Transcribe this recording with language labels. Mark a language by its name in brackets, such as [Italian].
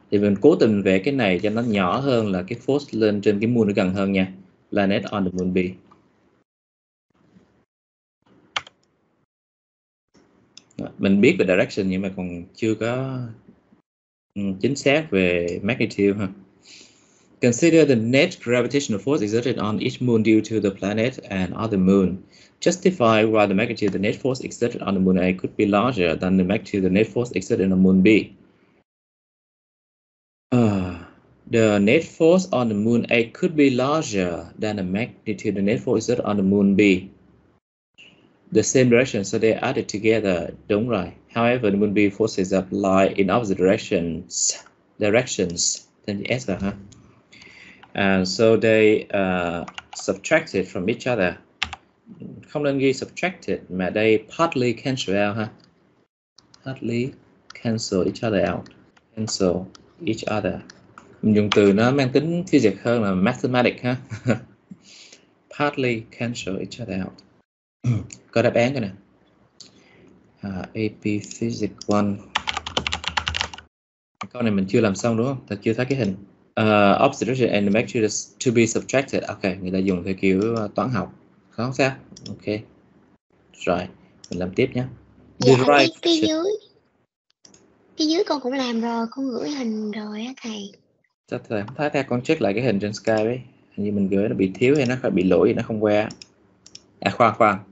[Vietnamese] Thì mình cố tình vẽ cái này cho nó nhỏ hơn là cái force lên trên cái moon nó gần hơn nha. [English] Planet on the moon B. [Vietnamese] Đó. Mình biết về direction nhưng mà còn chưa có chính xác về magnitude ha. [English] Consider the net gravitational force exerted on each moon due to the planet and other moon. Justify why the magnitude of the net force exerted on the moon A could be larger than the magnitude of the net force exerted on the moon B. The net force on the moon A could be larger than the magnitude of the net force exerted on the moon B. The same direction, so they added together. [Vietnamese] Đúng rồi. [English] However, the moon B forces apply in opposite directions than the S, huh? And so they subtracted from each other. [Vietnamese] Không nên ghi subtracted, mà đây [English] partly cancel out, [Vietnamese] huh? [English] Partly cancel each other out. Cancel each other. [Vietnamese] Dùng từ nó mang tính physics hơn là mathematics ha. [English] Partly cancel each other out. [Vietnamese] Có đáp án rồi nè. [English] AP Physics 1. [Vietnamese] Câu này mình chưa làm xong đúng không? Ta chưa thấy cái hình. [English] Opposite direction and the magnitude to be subtracted. [Vietnamese] Ok, người ta dùng theo kiểu toán học. Không sao. Ok. Rồi, mình làm tiếp nhé. Dạ [English] Derive [Vietnamese] đi, [English] function. [Vietnamese] phía dưới con cũng làm rồi, con gửi hình rồi á thầy. Chắc thầy không thấy, con check lại cái hình trên Skype ấy. Hình như mình gửi nó bị thiếu hay nó bị lỗi, nó không qua. À khoan khoan.